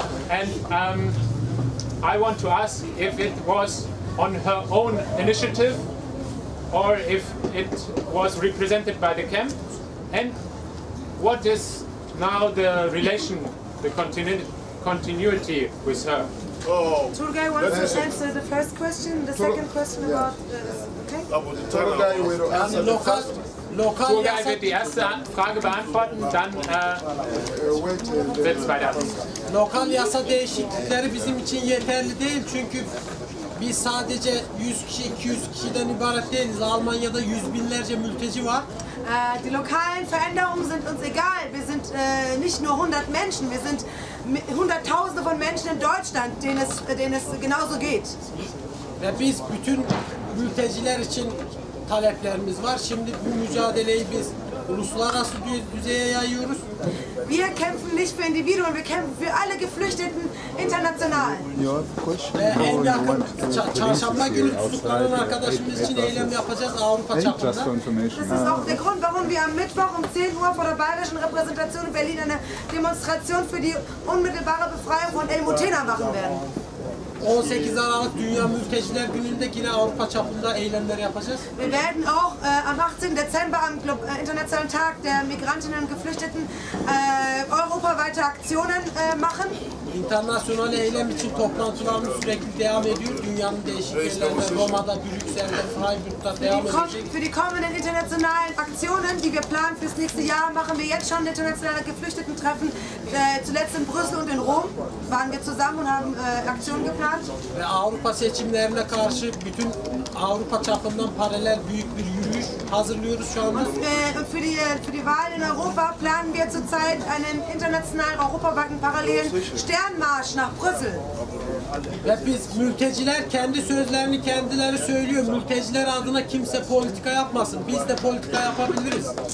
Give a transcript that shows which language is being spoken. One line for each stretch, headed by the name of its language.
English: And I want to ask if it was on her own initiative or if it was represented by the camp. And what is now the relation, the continuity with her? Oh. Turgay wants to answer the first question, the second question about this. Okay? Turgay will answer the first question.
German: Turgay wird die erste Frage beantworten, dann wird es weitergehen.
Turkish: Lokal yasa değişiklikleri bizim için yeterli değil, çünkü biz sadece 100 kişi, 200 kişiden ibaret değiliz. Almanya'da yüz binlerce mülteci var.
German: Die lokalen Veränderungen sind uns egal. Wir sind nicht nur 100 Menschen, wir sind Hunderttausende von Menschen in Deutschland, denen es genauso geht.
Turkish: Ve biz bütün mülteciler için taleplerimiz var. Şimdi bu mücadeleyi biz uluslararası düzeye yayıyoruz.
German: Wir kämpfen nicht für Individuen, wir kämpfen für alle Geflüchteten international.
Turkish: En yakın çarşamba günü tutuklanan arkadaşımız için eylem yapacağız Avrupa çapında.
German: Das ist auch der Grund, warum wir am Mittwoch um 10 Uhr vor der bayerischen Repräsentation in Berlin eine Demonstration für die unmittelbare Befreiung von El Mutena machen werden.
Turkish: 18 Aralık Dünya Mülteciler Günü'nde yine Avrupa çapında eylemler yapacağız.
German: Wir werden auch am 18. Dezember am internationalen Tag der Migrantinnen und Geflüchteten europaweite Aktionen machen.
Turkish: İnternasyonel eylem için toplantılarımız sürekli devam ediyor. Dünyanın değişik yerlerinde, Roma'da, Brüksel'de, Freiburg'da devam edecek.
German: Für die kommenden internationalen Aktionen, die wir planen fürs nächste Jahr, machen wir jetzt schon internationale Geflüchteten-Treffen. Zuletzt in Brüssel und in Rom waren wir zusammen und haben Aktionen geplant.
Turkish: Ve Avrupa seçimlerine karşı bütün Avrupa çapından paralel büyük bir yürüyüş hazırlıyoruz şu anda.
German: Für die Wahl in Europa planen wir zurzeit einen internationalen, europaweiten, parallelen Sternmarsch nach Brüssel.
Turkish: Ve biz mülteciler kendi sözlerini kendileri söylüyor. Mülteciler adına kimse politika yapmasın. Biz de politika yapabiliriz.